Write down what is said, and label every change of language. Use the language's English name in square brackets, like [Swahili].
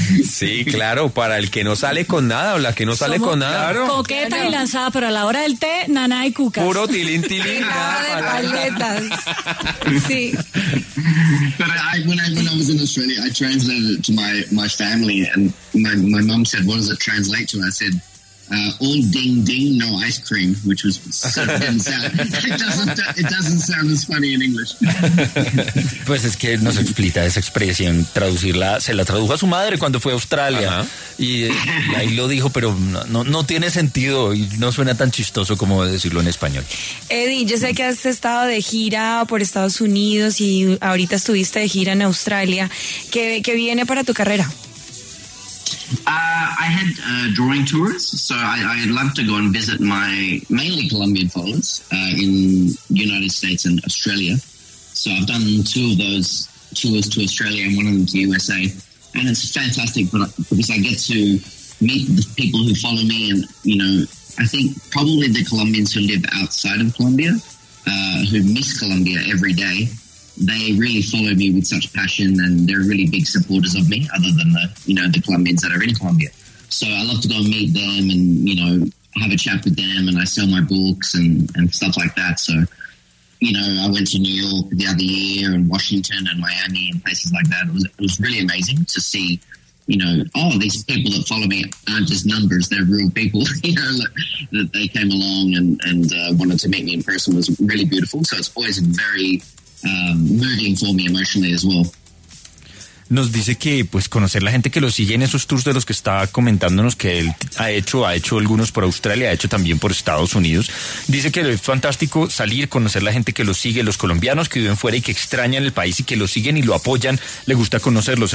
[Spanish] Sí, claro, para el que no sale con nada o la que no sale con nada. Claro. Coqueta y lanzada, pero a la hora del té, naná y cucas. Puro tilín tilín. Nada de paletas. Sí. [English] But when I was in Australia, I translated it to my family, and my mom said, "What does it translate to?" And I said, "All ding ding, no ice cream," which was it doesn't sound as funny in English. [Spanish] Pues es que nos explica esa expresión, traducirla, se la tradujo a su madre cuando fue a Australia. Uh-huh. Y ahí lo dijo, pero no tiene sentido y no suena tan chistoso como decirlo en español. Eddie, yo sé que has estado de gira por Estados Unidos y ahorita estuviste de gira en Australia. ¿Qué viene para tu carrera? [English] I had drawing tours, so I'd love to go and visit my mainly Colombian followers in United States and Australia. So I've done two of those tours to Australia and one of them to USA. And it's fantastic because I get to meet the people who follow me, and, you know, I think probably the Colombians who live outside of Colombia, who miss Colombia every day, they really follow me with such passion, and they're really big supporters of me, other than the Colombians that are in Colombia. So I love to go and meet them and, you know, have a chat with them, and I sell my books and stuff like that. So, you know, I went to New York the other year, and Washington and Miami and places like that. It was really amazing to see, you know, oh, these people that follow me aren't just numbers, they're real people, you know, that they came along and wanted to meet me in person. It was really beautiful. So it's always very moving for me emotionally as well. [Spanish] Nos dice que pues conocer la gente que lo sigue en esos tours de los que está comentándonos que él ha hecho algunos por Australia, ha hecho también por Estados Unidos. Dice que es fantástico salir, conocer la gente que lo sigue, los colombianos que viven fuera y que extrañan el país y que lo siguen y lo apoyan. Le gusta conocerlos.